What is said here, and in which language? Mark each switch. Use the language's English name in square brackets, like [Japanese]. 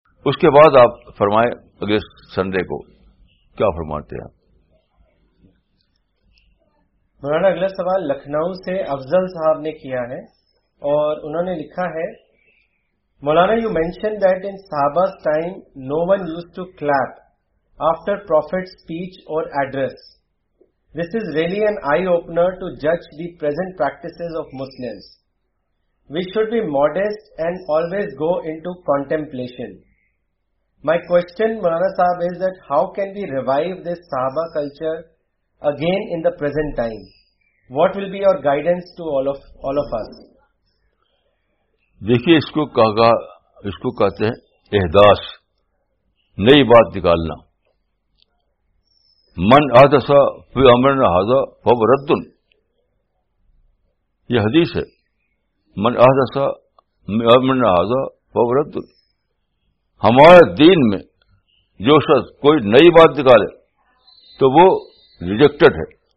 [Urdu] اس کے بعد آپ فرمائیں اگلے سنڈے کو کیا فرماتے ہیں. مولانا اگلا سوال لکھنؤ سے افضل صاحب نے کیا ہے اور انہوں نے لکھا ہے, [English] Maulana you mention that in صحابہ time no one use to clap after prophet speech اور address. This is really an eye-opener to judge the present practices of Muslims. We should be modest and always go into contemplation. My question, Maulana Sahab, is that how can we revive this Sahaba culture again in the present time? What will be your guidance to all of us? [Urdu] دیکھیے اس کو کہا گا, اس کو کہتے ہیں احداث, نئی بات نکالنا. [Arabic] من احدث فی امرنا ھذا فهو رد, [Urdu] یہ حدیث ہے. [Arabic] من احدث فی امرنا ھذا فهو رد, [Urdu] ہمارے دین میں جو شخص کوئی نئی بات نکالے تو وہ ریجیکٹڈ ہے.